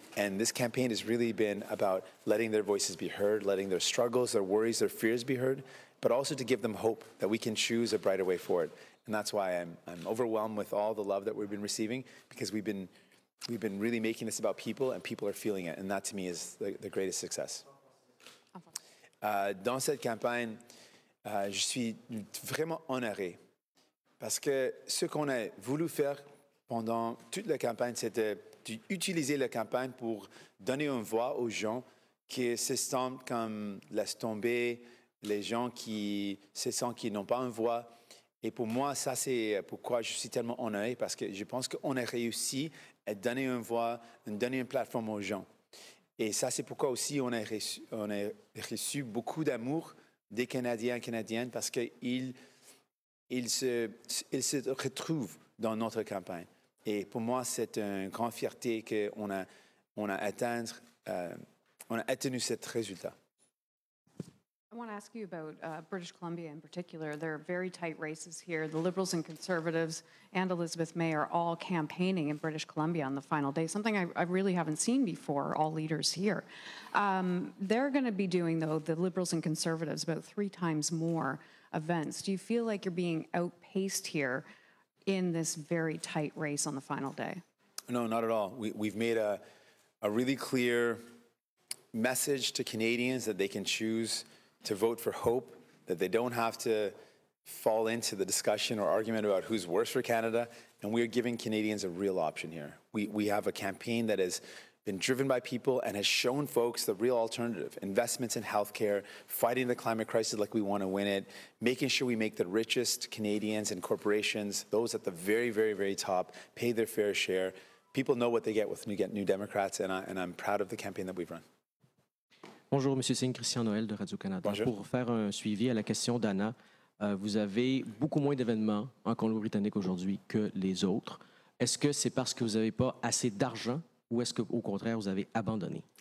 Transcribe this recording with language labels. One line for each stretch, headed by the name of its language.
English: And this campaign has really been about letting their voices be heard, letting their struggles, their worries, their fears be heard, but also to give them hope that we can choose a brighter way forward. And that's why I'm overwhelmed with all the love that we've been receiving, because we've been really making this about people, and people are feeling it. And that, to me, is the greatest success.
French: Dans cette campagne, je suis vraiment honoré parce que ce qu'on a voulu faire pendant toute la campagne, c'était d'utiliser la campagne pour donner une voix aux gens qui se sentent comme laisse tomber, les gens qui se sentent qu'ils n'ont pas une voix. Et pour moi, ça, c'est pourquoi je suis tellement honoré, parce que je pense qu'on a réussi à donner une voix, à donner une plateforme aux gens. Et ça, c'est pourquoi aussi on a reçu beaucoup d'amour des Canadiens et Canadiennes, parce qu'ils se retrouvent dans notre campagne. Et pour moi, c'est une grande fierté qu'on a atteint ce résultat.
English: I want to ask you about British Columbia in particular. There are very tight races here. The Liberals and Conservatives and Elizabeth May are all campaigning in British Columbia on the final day, something I really haven't seen before, all leaders here. They're going to be doing, though, the Liberals and Conservatives, about three times more events. Do you feel like you're being outpaced here in this very tight race on the final day? No, not at all. We've made a really clear message to Canadians that they can choose to vote for hope, that they don't have to fall into the discussion or argument about who's worse for Canada. And we are giving Canadians a real option here. We have a campaign that has been driven by people and has shown folks the real alternative: investments in healthcare, fighting the climate crisis like we want to win it, making sure we make the richest Canadians and corporations, those at the very, very, very top, pay their fair share. People know what they get with New Democrats, and I'm proud of the campaign that we've run.
French: Bonjour, M. Singh, Christian Noël de Radio-Canada. Bonjour. Pour faire un suivi à la question d'Anna, vous avez beaucoup moins d'événements en Colombie-Britannique aujourd'hui que les autres. Est-ce que c'est parce que vous n'avez pas assez d'argent ou est-ce qu'au contraire, vous avez abandonné?